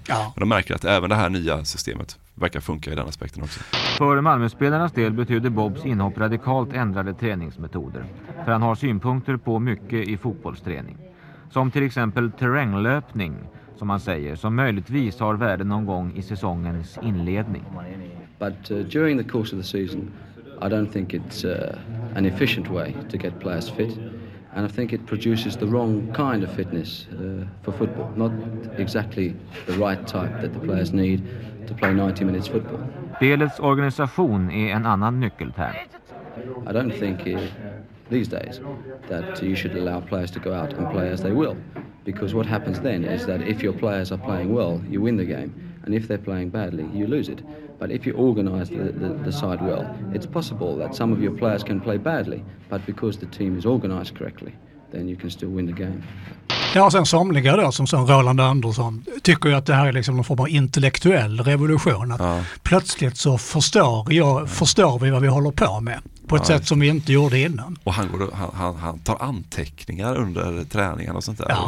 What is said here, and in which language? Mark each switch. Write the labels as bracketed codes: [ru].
[sv] Men de märker att även det här nya systemet verkar funka i den aspekten också. För Malmöspelarnas del betyder Bobs inhopp radikalt ändrade träningsmetoder. För han har synpunkter på mycket i fotbollsträning. Som till exempel terränglöpning, som man säger, som möjligtvis har värde någon gång i säsongens inledning. [en] But during the course of the season, I don't think it's an efficient way to get players fit, and I think it produces the wrong kind of fitness for football, not exactly the right type that the players need to play 90 minutes football. [sv] Spelets organisation är en annan nyckelterm. [en] I don't think these days that you should allow players to go out and play as they will. Because what happens then is that if your players are playing well, you win the game. And if they're playing badly, you lose it. But if you organize the side well, it's possible that some of your players can play badly. But because the team is organized correctly, then you can still win the game. [sv] Ja, och sen somliga då, som Roland Andersson, tycker ju att det här är liksom någon form av intellektuell revolution. Att plötsligt så förstår vi vad vi håller på med. På ett sätt som vi inte gjorde innan. Och han tar anteckningar under träningen och sånt där. Ja.